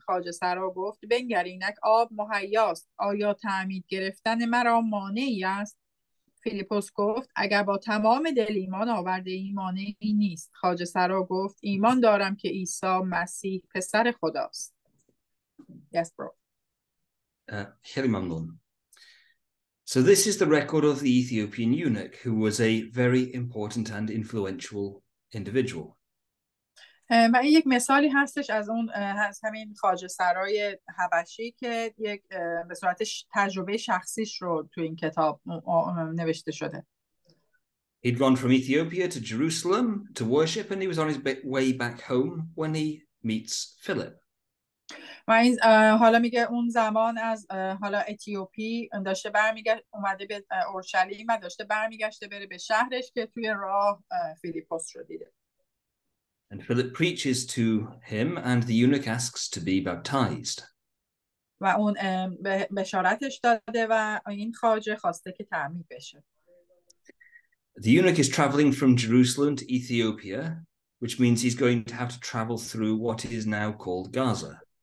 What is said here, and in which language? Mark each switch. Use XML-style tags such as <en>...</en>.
<fa>خواجه سرا گفت بنگر اینک آب مهیاست، آیا تعمید گرفتن مرا مانعی است؟ فیلیپوس گفت اگر با تمام دل ایمان آورده ای مانعی نیست. خواجه سرا گفت ایمان دارم که عیسی مسیح پسر خداست.</fa> <en>Yes, bro.</en> <fa>خیلی ممنون.</fa> <en>So this is the record of the Ethiopian eunuch who was a very important and influential individual.</en> <fa>و این یک مثالی هستش از اون از همین خواجه سرای حبشی که یک به صورت تجربه شخصیش رو تو این کتاب نوشته شده.</fa> <en>He'd run from Ethiopia to Jerusalem to worship and he was on his way back home when he meets Philip.</en> <fa>و این حالا میگه اون زمان از حالا اتیوپی داشته برمیگشت اومده به اورشلیم و داشته برمیگشته بره به شهرش که توی راه فیلیپوس رو دیده.</fa> <en>And Philip preaches to him and the eunuch asks to be baptized.</en> <fa>و اون بشارتش داده و این خواجه خواسته که تعمید بشه.</fa> <en>The eunuch is traveling from Jerusalem to Ethiopia, which means he's going to have to travel through what is now called Gaza.</en>